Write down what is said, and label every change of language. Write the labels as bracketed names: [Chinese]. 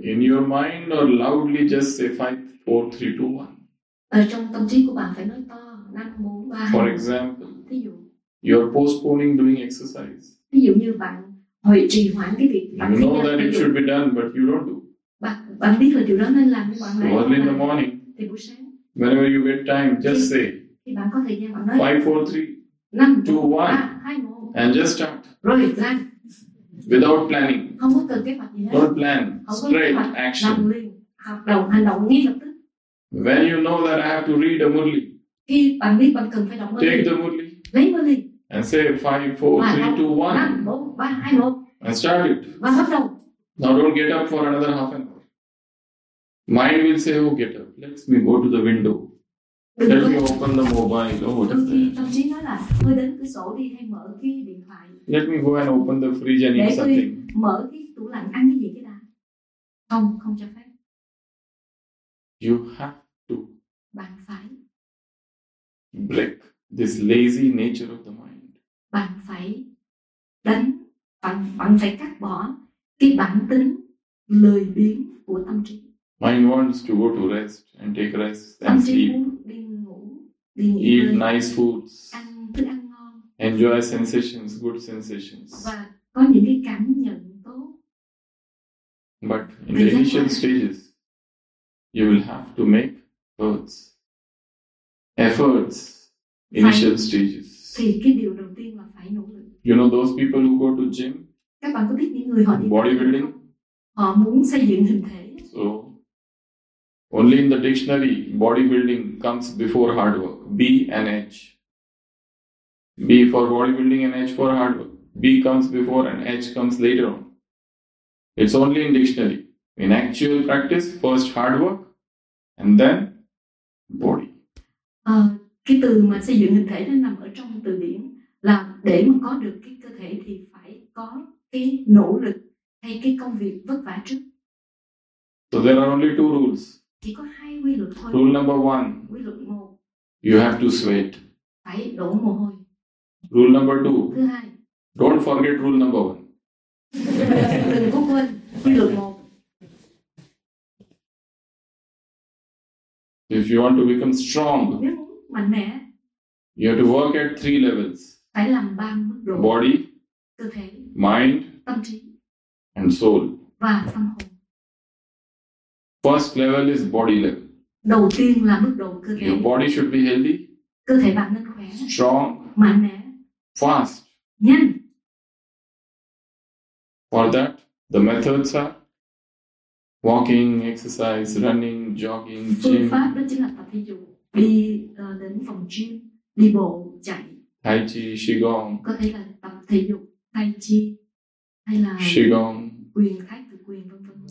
[English] in your mind or loudly just say 5, 4, 3, 2, 1. [Vietnamese] Ở trong tâm trí của bạn phải nói to 5, 4, 3. [English] For example, [Vietnamese] ví dụ, [English] you are postponing doing exercise. [Vietnamese] Ví dụ như bạn hồi trì hoãn cái việc. [English] You know that it should be done, but you don't do. [Vietnamese] Bạn biết là điều đó nên làm nhưng bạn lại. [English] Early in the morning. [Vietnamese] Thì buổi sáng. [English] Whenever you get time, just say. [Vietnamese] Thì bạn có thời gian bạn nói. [English] 5, 4, 3, 2, 1. And just start. [Vietnamese] Rồi, [English] plan. Without planning. [Vietnamese] Không có cần kế hoạch gì hết. [English] Don't plan. Straight action. [Vietnamese] Làm liền. Hành động ngay lập tức. [English] When you know that I have to read a Murli. [Vietnamese] Khi bạn biết bạn cần phải đọc Murli. [English] Take the Murli. [Vietnamese] Lấy Murli. [English] And say 5, 4, 3, 2, 1. [Vietnamese] 5, 4, 3, 2, 1. [English] And start it. [Vietnamese] Và bắt đầu. [English] Now don't get up for another half an hour. Mind will say, oh, get up. Let me go to the window. Let me open the mobile. Oh, what is that? Let me go and open the fridge and eat something. [Vietnamese] Mở cái tủ lạnh ăn cái gì cái nào? Không, không cho phép. [English] You have to. [Vietnamese] Bạn phải. [English] Break this lazy nature of the mind. [Vietnamese] Bạn phải đánh, bạn phải cắt bỏ cái bản tính lười biếng của tâm trí. [English] Mind wants to go to rest and take rest and sleep. Eat nice foods. [Vietnamese] Ăn thức ăn ngon. [English] Enjoy sensations, good sensations. [Vietnamese] Và có những cái cảm nhận tốt. [English] But in the initial stages, you will have to make efforts initial stages. [Vietnamese] Thì cái điều đầu tiên là phải nỗ lực. [English] You know those people who go to gym? [Vietnamese] Các bạn có biết những người họ đi [English] bodybuilding? [Vietnamese] Họ muốn xây dựng hình thể. [English] So, only in the dictionary, bodybuilding comes before hard work. B and H. B for bodybuilding and H for hard work. B comes before and H comes later on. It's only in dictionary. In actual practice, first hard work and then body. [Vietnamese] Cái từ mà xây dựng hình thể nó nằm ở trong từ điển là để mà có được cái cơ thể thì phải có cái nỗ lực hay cái công việc vất vả trước. [English] So there are only two rules. [Vietnamese] Chỉ có hai quy luật thôi. [English] Rule number one. [Vietnamese] Quy luật một. [English] You have to sweat. [Vietnamese] Phải đổ mồ hôi. [English] Rule number two. [Vietnamese] Thứ hai. [English] Don't forget rule number one. [Vietnamese] Đừng có quên quy luật một. [English] If you want to become strong, [Vietnamese] mạnh mẽ, [English] you have to work at three levels. [Vietnamese] Phải làm ba mức độ. [English] Body, [Vietnamese] cơ thể, [English] mind, [Vietnamese] tâm trí, [English] and soul. [Vietnamese] Và tâm hồn. [English] First level is body level. [Vietnamese] Đầu tiên là mức độ cơ thể. [English] Your body should be healthy. [Vietnamese] Cơ thể bạn nên khỏe. [English] Strong. [Vietnamese] Mạnh mẽ. [English] Fast. [Vietnamese] Nhanh. [English] For that, the methods are walking, exercise, running, jogging, gym. [Vietnamese] Phương pháp đó chính là tập thể dục, đi đến phòng gym, đi bộ, chạy. [English] Tai chi, qigong. [Vietnamese] Có thể là tập thể dục, tai chi, hay là qigong, quyền thái cực quyền, vân vân.